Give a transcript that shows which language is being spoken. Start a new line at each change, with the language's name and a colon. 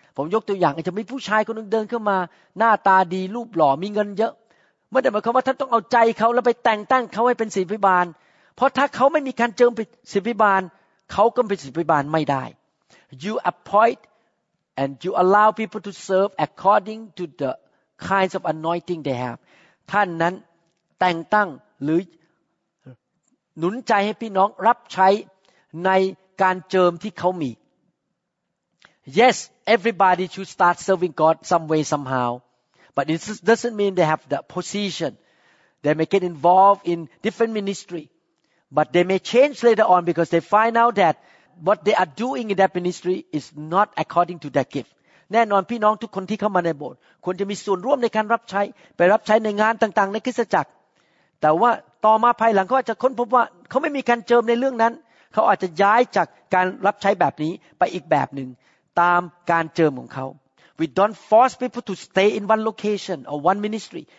Thai: ผมยกตัวอย่างจะมีผู้ชายคนนึงเดินเข้ามาหน้าตาดีรูปหล่อมีเงินเยอะไม่ได้หมายความว่าท่านต้องเอาใจเขาแล้วไปแต่งตั้งเขาให้เป็นศิษย์ภิบาลเพราะถ้าเขาไม่มีการเจิมเป็นศิษย์ภิบาลเขาก็เป็นศิษย์ภิบาลไม่ได้
English: You appointAnd you allow people to serve according to the kinds of anointing they have.
Thai: ท่านนั้นแต่งตั้งหรือหนุนใจให้พี่น้องรับใช้ในการเจิมที่เขามี
English: Yes, everybody should start serving God some way, somehow. But it doesn't mean they have the position. They may get involved in different ministry. But they may change later on because they find out thatWhat they are doing in that ministry is not according to their gift.
Thai: แน่นอนพี่น้องทุกคนที่เข้ามาในโบสถ์ควรจะมีส่วนร่วมในการรับใช้ไปรับใช้ในงานต่างๆในคริสตจักรแต่ว่าต่อมาภายหลังเขาอาจจะค้นพบว่าเขาไม่มีการเจิมในเรื่องนั้นเขาอาจจะย้ายจากการรับใช้แบบนี้ไปอีกแบบหนึ่งตามการเจิมของเขา
English: We don't force people to stay in one location or one ministry.